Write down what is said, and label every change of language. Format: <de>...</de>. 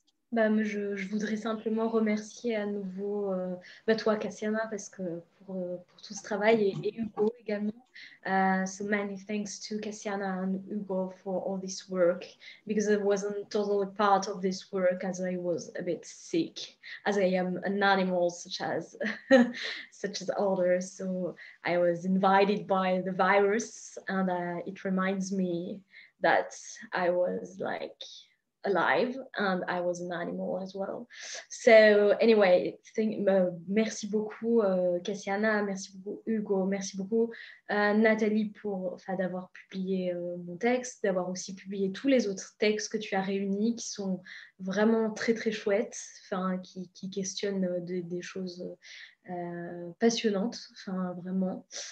<fr>Bah, je voudrais simplement remercier à nouveau toi, Cassiana, parce que pour tout ce travail et Hugo également.</fr> <en>So many thanks to Cassiana and Hugo for all this work, because I wasn't totally part of this work as I was a bit sick, as I am an animal such as such as others. So I was invited by the virus, and it reminds me that I was like alive and I was an animal as well.</en> <fr>So anyway, merci beaucoup Cassiana, merci beaucoup Hugo, merci beaucoup Nathalie pour d'avoir publié mon texte, d'avoir aussi publié tous les autres textes que tu as réunis qui sont vraiment très très chouettes, qui questionnent des choses passionnantes, vraiment.</fr>